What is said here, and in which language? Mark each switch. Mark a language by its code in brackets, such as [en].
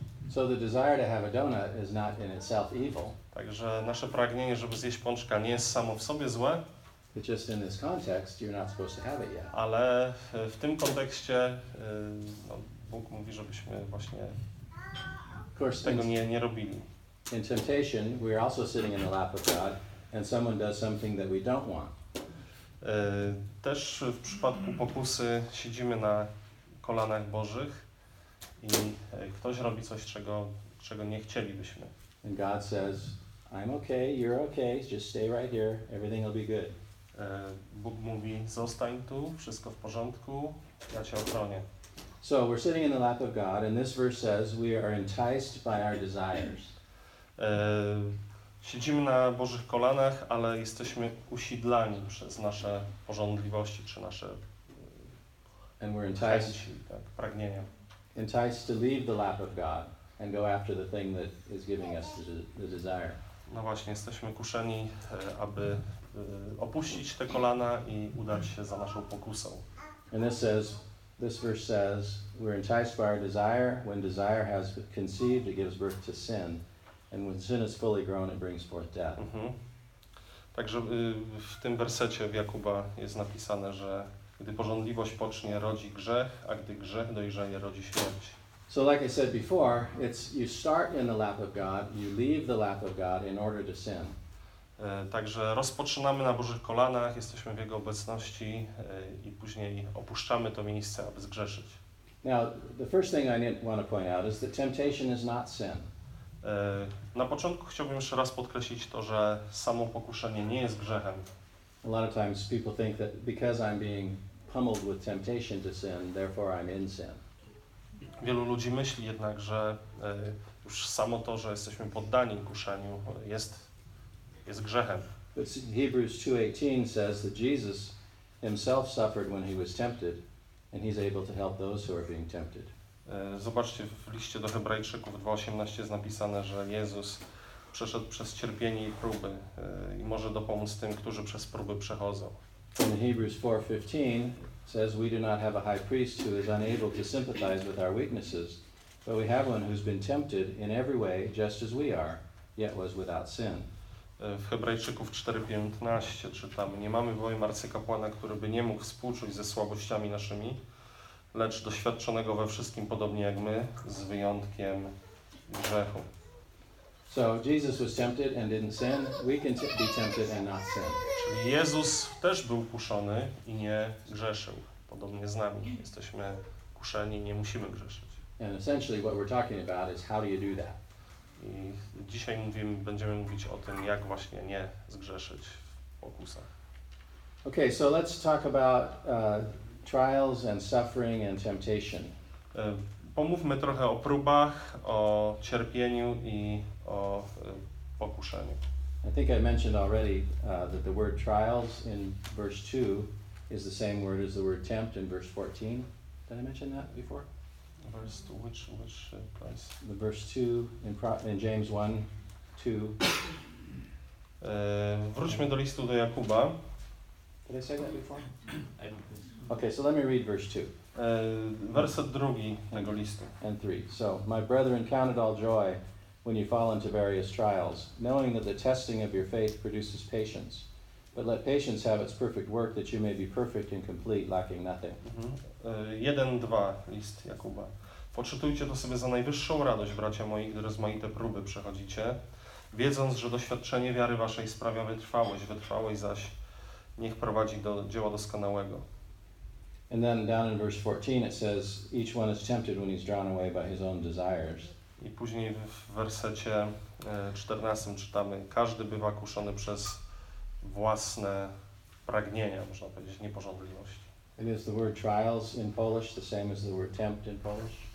[en] So the desire to have a donut is not in itself evil. [pl] Także nasze pragnienie, żeby zjeść pączka, nie jest samo w sobie złe. [en] It's just in this context, you're not supposed to have it yet. [pl] Ale w tym kontekście no, Bóg mówi, żebyśmy właśnie tego nie robili. [en] In temptation, we are also sitting in the lap of God, and someone does something that we don't want. [pl] Też w przypadku pokusy siedzimy na kolanach Bożych. I ktoś robi coś, czego nie chcielibyśmy. [en] And God says, "I'm okay, you're okay, just stay right here, everything will be good." [pl] Bóg mówi, zostań tu, wszystko w porządku, ja cię ochronię. [en] So we're sitting in the lap of God, and this verse says we are enticed by our desires. [pl] Siedzimy na Bożych kolanach, ale jesteśmy usidlani przez nasze pożądliwości, czy nasze [en] and we're enticed. [pl] Chęci, tak, pragnienia. [en] Enticed to leave the lap of God and go after the thing that is giving us the desire. [pl] No właśnie, jesteśmy kuszeni, aby opuścić te kolana i udać się za naszą pokusą. [en] And this verse says, we're enticed by our desire. When desire has conceived, it gives birth to sin. And when sin is fully grown, it brings forth death. Mm-hmm. [pl] Także w tym wersecie w Jakuba jest napisane, że gdy pożądliwość pocznie, rodzi grzech, a gdy grzech dojrzeje, rodzi śmierć. [en] So like I said before, it's you start in the lap of God, you leave the lap of God in order to sin. [pl] Także rozpoczynamy na Bożych kolanach, jesteśmy w Jego obecności i później opuszczamy to miejsce, aby zgrzeszyć. [en] Now, the first thing I want to point out is that temptation is not sin. [pl] Na początku chciałbym jeszcze raz podkreślić to, że samo pokuszenie nie jest grzechem. [en] A lot of times people think that because I'm being pummeled with temptation to sin, therefore I'm in sin. [pl] Wielu ludzi myśli jednak, że już samo to, że jesteśmy poddani kuszeniu, jest grzechem. [en] But Hebrews 2:18 says that Jesus himself suffered when he was tempted, and he's able to help those who are being tempted. [pl] Zobaczcie, w liście do Hebrajczyków 2:18 jest napisane, że Jezus przeszedł przez cierpienie i próby i może dopomóc tym, którzy przez próby przechodzą. [en] In Hebrews 4:15 says we do not have a high priest who is unable to sympathize with our weaknesses, but we have one who's been tempted in every way just as we are, yet was without sin. [pl] W Hebrajczyków 4:15 czytamy: nie mamy bowiem arcykapłana, który by nie mógł współczuć ze słabościami naszymi, lecz doświadczonego we wszystkim podobnie jak my, z wyjątkiem grzechu. [en] So Jesus was tempted and didn't sin. We can be tempted and not sin. [pl] Czyli Jezus też był kuszony i nie grzeszył. Podobnie z nami. Jesteśmy kuszeni, nie musimy grzeszyć. [en] And essentially what we're talking about is how do you do that? [pl] I dzisiaj będziemy mówić o tym, jak właśnie nie zgrzeszyć w pokusach. [en] Okay, so let's talk about trials and suffering and temptation. [pl] Pomówmy trochę o próbach, o cierpieniu i o pokuszeniu. [en] I think I mentioned already that the word trials in verse 2 is the same word as the word tempt in verse 14. Did I mention that before? Verse 2, which place? The verse 2 in James 1, 2. [pl] Wróćmy do listu do Jakuba. [en] Did I say that before? Okay, so let me read verse 2. [pl] Werset drugi tego listu. [en] And 3. So, my brethren, count it all joy when you fall into various trials, knowing that the testing of your faith produces patience. But let patience have its perfect work, that you may be perfect and complete, lacking nothing. [pl] 1:2, list Jakuba. Poczytujcie to sobie za najwyższą radość, bracia moi, gdy rozmaite próby przechodzicie, wiedząc, że doświadczenie wiary waszej sprawia wytrwałość, wytrwałość zaś niech prowadzi do dzieła doskonałego. [en] And then down in verse 14 it says, each one is tempted when he's drawn away by his own desires. [pl] I później w wersecie 14 czytamy, każdy bywa kuszony przez własne pragnienia, można powiedzieć, niepożądliwości. [en] And is the word trials in Polish the same as the word tempt in Polish?